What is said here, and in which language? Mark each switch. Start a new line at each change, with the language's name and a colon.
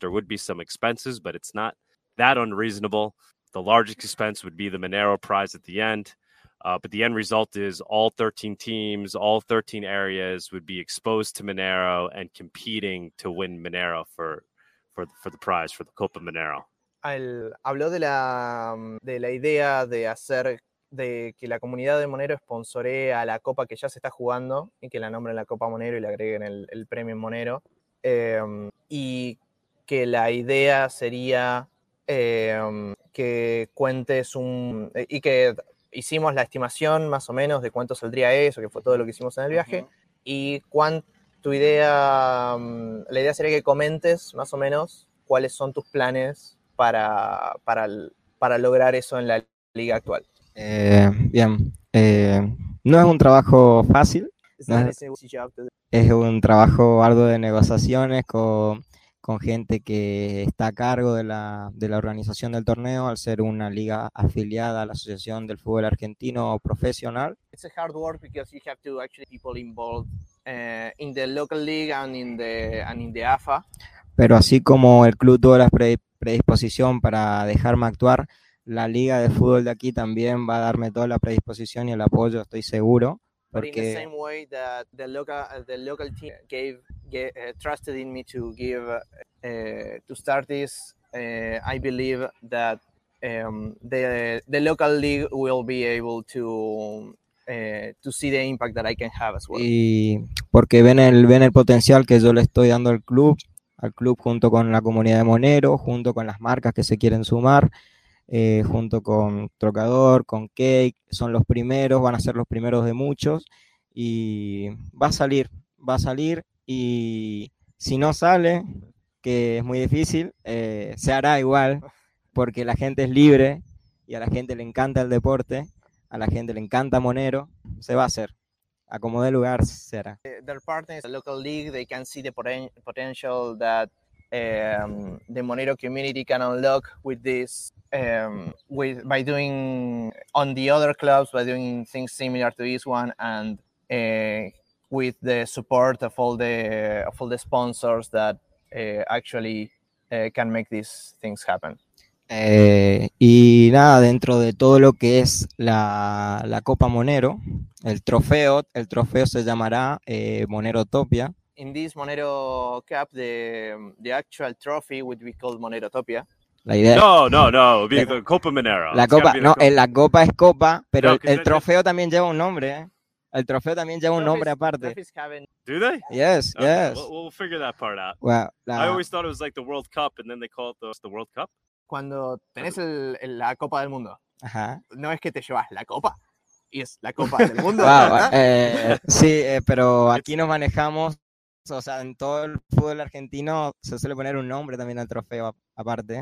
English: There would be some expenses, but it's not that unreasonable. The largest expense would be the Monero prize at the end. But the end result is all 13 teams, all 13 areas would be exposed to Monero and competing to win Monero for the prize, for the Copa Monero.
Spanish: Habló de la idea de hacer de que la comunidad de Monero sponsoree a la Copa que ya se está jugando y que la nombren la Copa Monero y le agreguen el premio Monero. Y que la idea sería que cuentes un... y que hicimos la estimación más o menos de cuánto saldría eso, que fue todo lo que hicimos en el viaje. Uh-huh. Y tu idea, la idea sería que comentes más o menos cuáles son tus planes para lograr eso en la liga actual. No es un trabajo fácil. Es un trabajo arduo de negociaciones con gente que está a cargo de la organización del torneo, al ser una liga afiliada a la Asociación del Fútbol Argentino Profesional.
English: It's a hard work because you have to actually people involved in the local league and in the AFA.
Spanish: Pero así como el club tuvo la predisposición para dejarme actuar, la liga de fútbol de aquí también va a darme toda la predisposición y el apoyo, estoy seguro. Porque...
English: But in the same way that the local team trusted in me to give to start this, I believe that the local league will be able to see the impact that I can have as well.
Spanish: Y porque ven el potencial que yo le estoy dando al club junto con la comunidad de Monero, junto con las marcas que se quieren sumar. Junto con Trocador, con Cake, son los primeros, van a ser los primeros de muchos, y va a salir, y si no sale, que es muy difícil, se hará igual, porque la gente es libre, y a la gente le encanta el deporte, a la gente le encanta Monero, se va a hacer. A como dé lugar, se hará.
English: Their partners, the local league, they can see the potential that the Monero community can unlock with this. By doing things similar to this one, and with the support of all the sponsors that can make these things happen.
Spanish: Y nada, dentro de todo lo que es la Copa Monero, el trofeo se llamará Monerotopia.
English: In this Monero Cup, the actual trophy would be called Monerotopia.
Spanish: La idea. No, la Copa Monero. La Copa es Copa, pero no, el trofeo también lleva un nombre. El trofeo también lleva un nombre aparte.
English: Do they? Yes, okay. Yes. We'll figure that part out. Well, I always thought it was like the World Cup, and then they call it the World Cup.
Spanish: Cuando tenés la Copa del Mundo, ajá. No es que te llevas la Copa, y es la Copa del Mundo.
English: Wow,
Spanish: pero aquí nos manejamos, o sea, en todo el fútbol argentino se suele poner un nombre también al trofeo aparte.